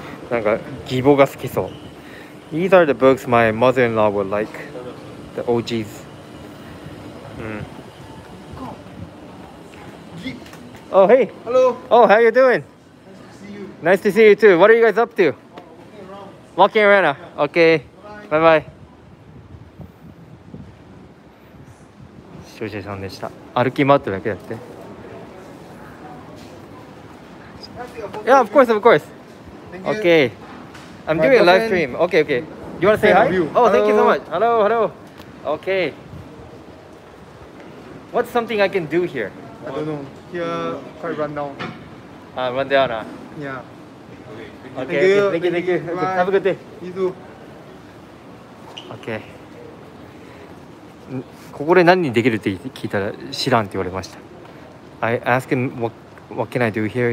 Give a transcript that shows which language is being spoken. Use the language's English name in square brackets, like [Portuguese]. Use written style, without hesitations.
[Japanese] なんか義母が好きそう。 [English] These are the books my mother-in-law would like. The OGs. Oh, hey! Hello! Oh, how you doing? Nice to see you too. What are you guys up to? Walking around. Okay. Bye-bye. [Japanese] 視聴者さんでした。歩き回ってるだけだって。 [English] Yeah, of course, of course. Okay. I'm doing a live stream. Okay, okay. You want to say hi? Oh, thank you so much. Hello, hello. Okay. What's something I can do here? I don't know. Here, quite run down. Ah, run down, huh? Yeah. Okay, thank you. Okay, have a good day. You too. Okay. [Japanese] ここで何にできるって聞いたら知らんって言われました。 [English] I asked him what can I do here?